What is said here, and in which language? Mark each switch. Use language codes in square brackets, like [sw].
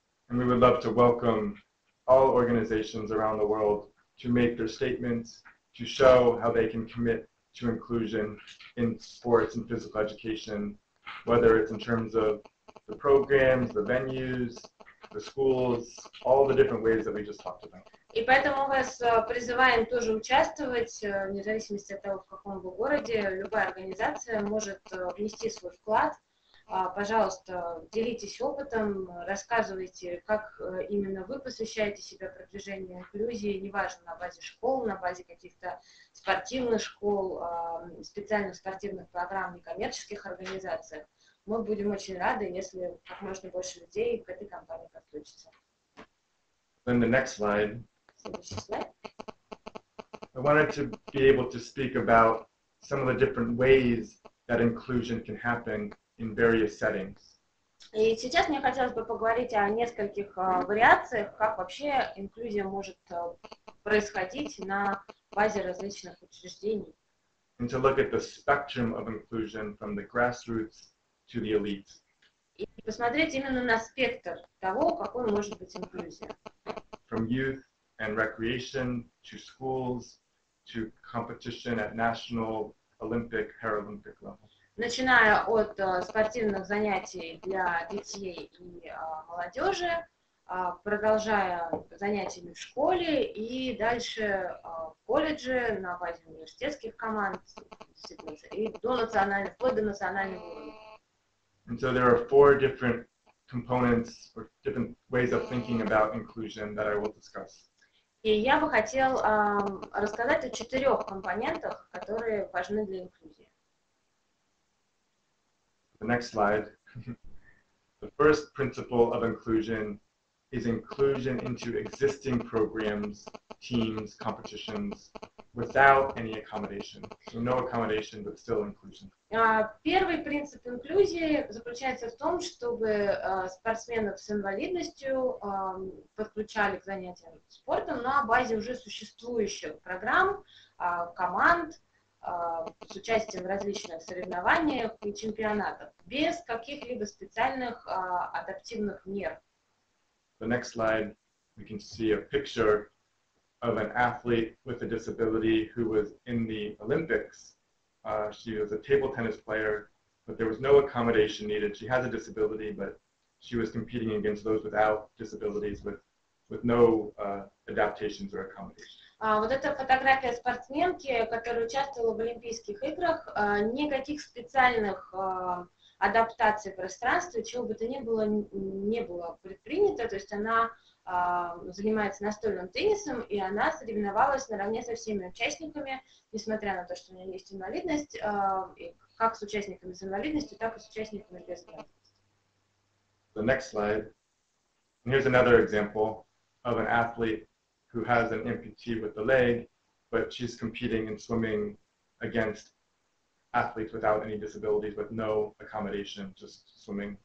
[en] And we would love to welcome all organizations around the world to make their statements, to show how they can commit to inclusion in sports and physical education, whether it's in terms of the programs, the venues, the schools, all the different ways that we just talked about. [ru] И поэтому вас призываем тоже участвовать, вне зависимости от того, в каком вы городе, любая организация может внести свой вклад. Пожалуйста, делитесь опытом, рассказывайте, как именно вы посвящаете себя продвижению инклюзии, неважно, на базе школ, на базе каких-то спортивных школ, специальных спортивных программ, некоммерческих организаций. Мы будем очень рады, если как можно больше людей к этой кампании подключится. [en] Then the next slide. [ru] Следующий слайд. [en] I wanted to be able to speak about some of the different ways that inclusion can happen in various settings. [ru] И сейчас мне хотелось бы поговорить о нескольких вариациях, как вообще инклюзия может происходить на базе различных учреждений. [en] And to look at the spectrum of inclusion from the grassroots to the elite. [ru] И посмотреть именно на спектр того, какой может быть инклюзия. [en] From youth and recreation to schools to competition at national, Olympic, Paralympic level. [ru] Начиная от спортивных занятий для детей и молодежи, продолжая занятиями в школе и дальше в колледже на базе университетских команд и до национального, вплоть до национального уровня. [en] And so there are four different components or different ways of thinking about inclusion that I will discuss. [ru] И я бы хотел рассказать о четырех компонентах, которые важны для инклюзии. [en] The next slide. The first principle of inclusion is inclusion into existing programs, teams, competitions, without any accommodation. So no accommodation, but still inclusion. [ru] Первый принцип инклюзии заключается в том, чтобы спортсменов с инвалидностью подключали к занятиям спортом на базе уже существующих программ, команд, с участием в различных соревнованиях и чемпионатах, без каких-либо специальных адаптивных мер. [en] The next slide, we can see a picture of an athlete with a disability who was in the Olympics. She was a table tennis player, but there was no accommodation needed. She has a disability, but she was competing against those without disabilities with no adaptations or accommodations. [ru] Вот эта фотография спортсменки, которая участвовала в Олимпийских играх, никаких специальных адаптаций пространства, чего бы то ни было, не было предпринято. То есть она занимается настольным теннисом, и она соревновалась наравне со всеми участниками, несмотря на то, что у нее есть инвалидность, и как с участниками с инвалидностью, так и с участниками без инвалидности. [en] The next slide. And here's another example of an athlete who has an amputee with the leg, but she's competing in swimming against athletes without any disabilities, with no accommodation, just swimming.